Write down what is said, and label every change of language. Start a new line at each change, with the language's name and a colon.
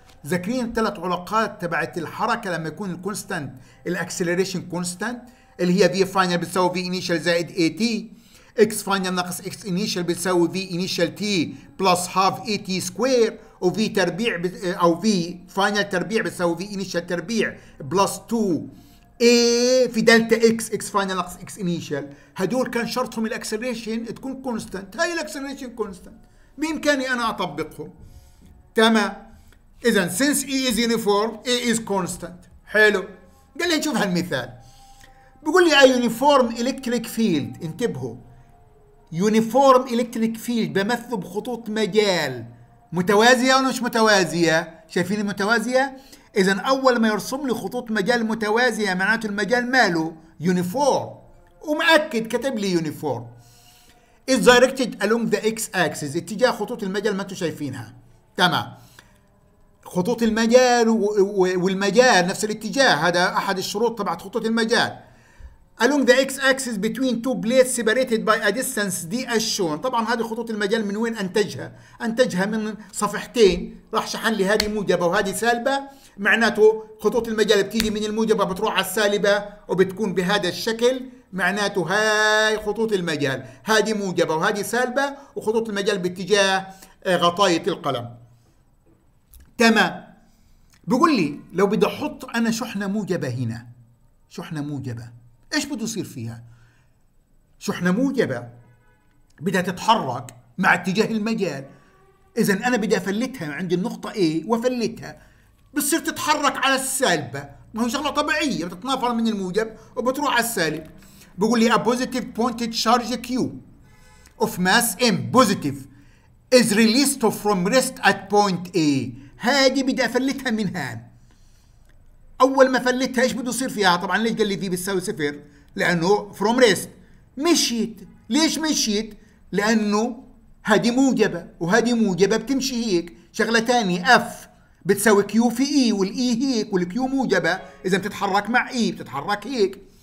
Arabic: ذكرين ثلاث علاقات تبعت الحركة لما يكون الكونستانت، الاكسلريشن كونستانت اللي هي في فاينل بتساوي في انيشال زائد اي تي، اكس فاينل ناقص اكس انيشال بتساوي في انيشال تي بلس هاف اي تي سكوير، وفي تربيع او في فاينل تربيع بتساوي في انيشال تربيع بلس 2 اي في دلتا اكس، اكس فاينل ناقص اكس انيشال. هدول كان شرطهم الاكسلريشن تكون كونستانت، هاي الاكسلريشن كونستانت، بامكاني انا اطبقهم. تمام.
English: إذا since E is uniform A is constant.
Arabic: حلو. قال لي نشوف هالمثال. بيقول لي a uniform electric field، انتبهوا uniform electric field بمثل بخطوط مجال متوازية أو مش متوازية، شايفين المتوازية؟ إذا أول ما يرسم لي خطوط مجال متوازية معناته المجال ماله uniform، ومأكد كتب لي uniform is directed along the x axis، اتجاه خطوط المجال ما أنتوا شايفينها. تمام، خطوط المجال والمجال نفس الاتجاه، هذا احد الشروط تبعت خطوط المجال.
English: along the x axis between two plates separated by a distance d as shown.
Arabic: طبعا هذه خطوط المجال من وين انتجها؟ انتجها من صفحتين، راح شحن لي هذه موجبه وهذه سالبه، معناته خطوط المجال بتيجي من الموجبه بتروح على السالبه وبتكون بهذا الشكل، معناته هاي خطوط المجال، هذه موجبه وهذه سالبه، وخطوط المجال باتجاه غطاية القلم. تمام. بيقول لي لو بدي احط انا شحنه موجبه هنا، شحنه موجبه ايش بده يصير فيها؟ شحنه موجبه بدها تتحرك مع اتجاه المجال، اذا انا بدي افلتها عند النقطه A وفلتها، بتصير تتحرك على السالبه، ما هو شغله طبيعيه، بتتنافر من الموجب وبتروح على السالب.
English: بيقول لي a positive pointed charge q of mass m positive is released from rest at point A.
Arabic: هذه بدي افلتها من هان، اول ما فلتها ايش بده يصير فيها؟ طبعا ليش قال لي في بتساوي صفر؟ لانه فروم ريست مشيت. ليش مشيت؟ لانه هذه موجبه وهذه موجبه بتمشي هيك. شغله ثانيه، اف بتساوي كيو في اي، والاي هيك والكيو موجبه، اذا بتتحرك مع اي بتتحرك هيك.